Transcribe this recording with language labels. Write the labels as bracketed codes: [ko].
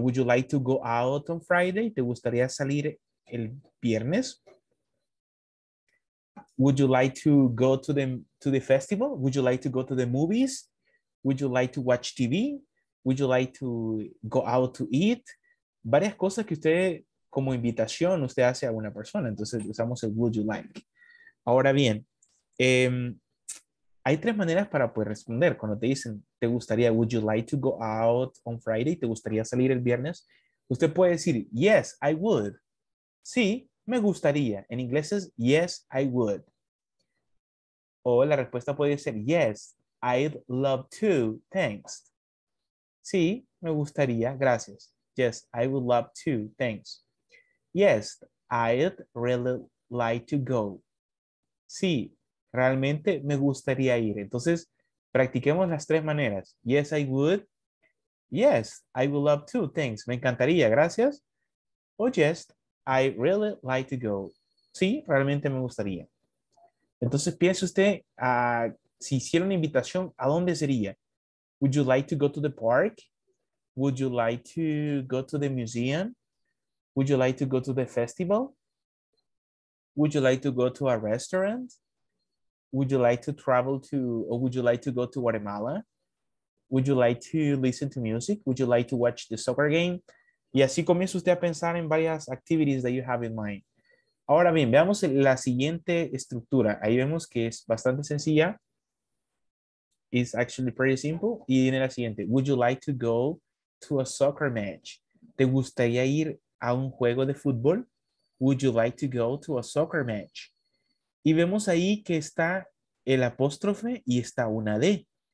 [en] Would you like to go out on Friday? [es] ¿Te gustaría salir el viernes? [en] Would you like to go to the festival? Would you like to go to the movies? Would you like to watch TV? Would you like to go out to eat? [es] Varias cosas que usted, como invitación, usted hace a una persona. Entonces usamos el [en] would you like. [es] Ahora bien, hay tres maneras para poder responder. Cuando te dicen, te gustaría, [en] would you like to go out on Friday? [es] ¿Te gustaría salir el viernes? Usted puede decir, [en] yes, I would. [es] Sí, me gustaría. En inglés es [en] yes, I would. [es] O la respuesta puede ser [en] yes, I'd love to, thanks. [es] Sí, me gustaría, gracias. [en] Yes, I would love to, thanks. Yes, I'd really like to go. [es] Sí, realmente me gustaría ir. Entonces, practiquemos las tres maneras. [en] Yes, I would. Yes, I would love to, thanks. [es] Me encantaría, gracias. [en] O yes, I really like to go. [es] Sí, realmente me gustaría. Entonces, piense usted, si hiciera una invitación, ¿a dónde sería? [en] Would you like to go to the park? Would you like to go to the museum? Would you like to go to the festival? Would you like to go to a restaurant? Would you like to travel to, or would you like to go to Guatemala? Would you like to listen to music? Would you like to watch the soccer game? [es] Y así comienza usted a pensar en varias [en] activities that you have in mind. [es] Ahora bien, veamos la siguiente estructura. Ahí vemos que es bastante sencilla. [en] It's actually pretty simple. [es] Y viene la siguiente. [en] Would you like to go to a soccer match? [es] ¿Te gustaría ir a un juego de fútbol? [en] Would you like to go to a soccer match? [es] Y vemos ahí que está el apóstrofe y está una D.